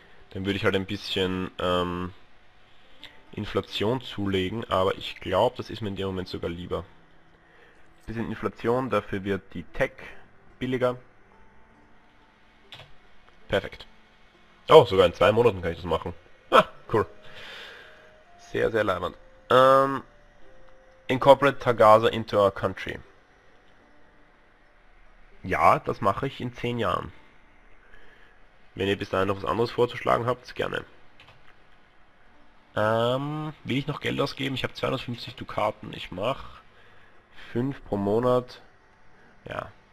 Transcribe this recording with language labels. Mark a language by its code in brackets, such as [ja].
[de] Dann würde ich halt ein bisschen Inflation zulegen, aber ich glaube, das ist mir in dem Moment sogar lieber. Bisschen Inflation, dafür wird die Tech billiger. Perfekt. Oh, sogar in 2 Monaten kann ich das machen. Ah, cool. Sehr, sehr leibend. [en] Incorporate Tagaza into our country. [de] Ja, das mache ich in 10 Jahren. Wenn ihr bis dahin noch was anderes vorzuschlagen habt, gerne. Will ich noch Geld ausgeben? Ich habe 250 Dukaten. Ich mache 5 pro Monat. Ja.